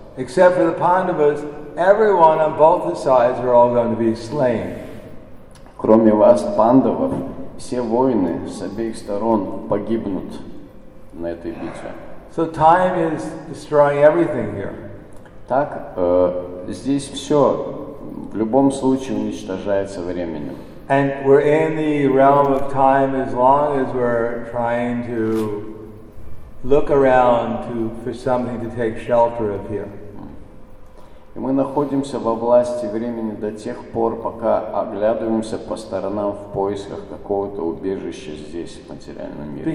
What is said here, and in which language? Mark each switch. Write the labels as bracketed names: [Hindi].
[English] Except for the Pandavas, everyone on both the sides are all going to be slain. [Russian] Кроме вас, Пандавов, все воины с обеих сторон погибнут на этой битве. [English] So time is destroying everything here. [Russian] Так, здесь все в любом случае уничтожается временем. [English] And we're in the realm of time as long as we're trying to look around for something to take shelter of here. [Russian] И мы находимся во власти времени до тех пор, пока оглядываемся по сторонам в поисках какого-то убежища здесь, в материальном мире.